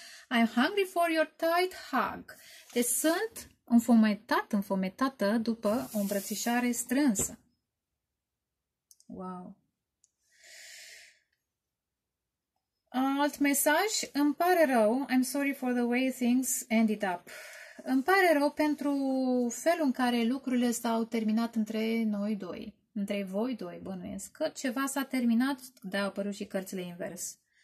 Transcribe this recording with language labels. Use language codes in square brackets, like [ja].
[en] I'm hungry for your tight hug. [ro] Deci sunt înfometat, înfometată după o îmbrățișare strânsă. [en] Wow! [ro] Alt mesaj. Îmi pare rău. [en] I'm sorry for the way things ended up. [ro] Îmi pare rău pentru felul în care lucrurile s-au terminat între noi doi. Între voi doi, bănuiesc, că ceva s-a terminat, de-aia au apărut și cărțile invers.